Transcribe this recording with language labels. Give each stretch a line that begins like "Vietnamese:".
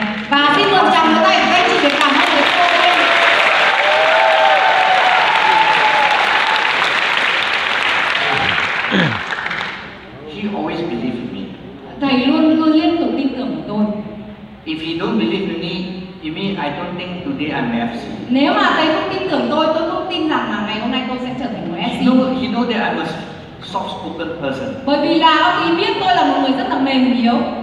Vietnamese: Và xin một tràng pháo tay các chị để cảm ơn cô lên.
English: He always believe in me.
Vietnamese: Thầy luôn cứ liên tục tin tưởng của tôi.
English: If he don't believe in me, you mean I don't think today I'm FC.
Vietnamese: Nếu mà thầy không tin tưởng tôi không tin rằng là ngày hôm nay tôi sẽ trở thành một FC.
English: He know that I'm a soft-spoken person.
Vietnamese: Bởi vì là ý biết tôi là một người rất là mềm yếu.